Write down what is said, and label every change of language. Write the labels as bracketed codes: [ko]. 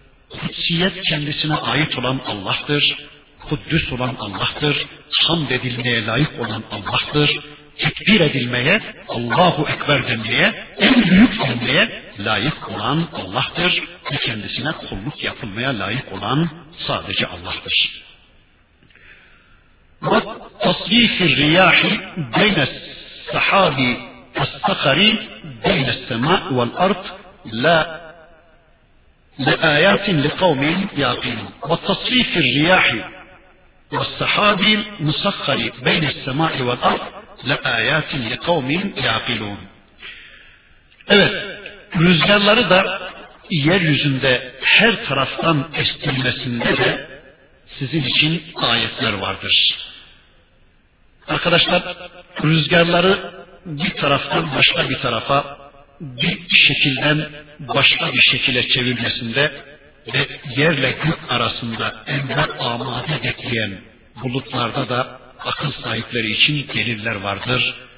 [tr] Kutsiyet kendisine ait olan Allah'tır. Kuddüs olan Allah'tır. Hamd edilmeye layık olan Allah'tır. Tekbir edilmeye, Allahu Ekber denmeye, en büyük denmeye layık olan Allah'tır. Ve kendisine kulluk yapılmaya layık olan sadece Allah'tır. [ar] وَتَصْرِيْفِ الرِّيَاحِ بَيْنَ السَّحَابِ السَّخَرِ بَيْنَ السَّمَاءُ وَالْأَرْضِ لَا لَآيَاتٍ لِقَوْمٍ يَعْقِلُونَ وَتَصْرِيْفِ الرِّيَاحِ وَالسَّحَابِ الْمُسَخَّرِ بَيْنَ السَّمَاءِ وَالْأَرْضِ لَآيَاتٍ لِقَوْمٍ يَعْقِلُونَ [tr] Evet, rüzgarları da yeryüzünde her taraftan estirmesinde de sizin için ayetler vardır. Arkadaşlar, rüzgarları bir taraftan başka bir tarafa, bir şekilden başka bir şekilde çevirmesinde ve yerle gök arasında ender amade bekleyen bulutlarda da akıl sahipleri için deliller vardır.